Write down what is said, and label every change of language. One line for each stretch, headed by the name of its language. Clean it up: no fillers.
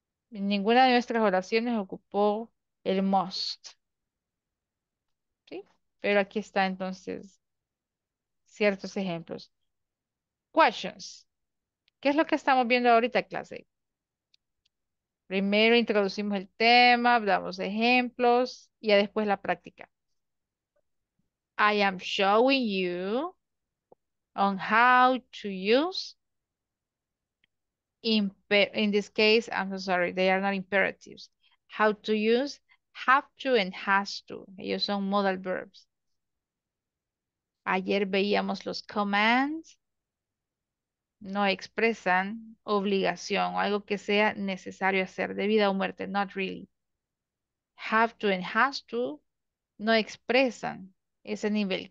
Spanish: Ninguna de nuestras oraciones ocupó el must. ¿Sí? Pero aquí está entonces ciertos ejemplos.
English: Questions.
Spanish: ¿Qué es lo que estamos viendo ahorita, clase? Primero introducimos el tema, damos ejemplos y ya después la práctica.
English: I am showing you on how to use in this case, I'm sorry, they are not imperatives. How to use have to and has to.
Spanish: Ellos son modal verbs. Ayer veíamos los commands. No expresan obligación o algo que sea necesario hacer de vida o muerte.
English: Not really. Have to and has to
Spanish: no expresan ese nivel.